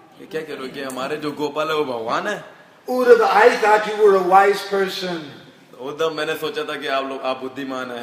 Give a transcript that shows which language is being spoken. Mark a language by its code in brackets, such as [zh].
[hi] क्या कह रहे हो कि हमारे जो गोपाल है वो भगवान है? [en] Udhava, I thought you were a wise person. [hi] Uddhav, मैंने सोचा था कि आप लोग आप बुद्धिमान हैं.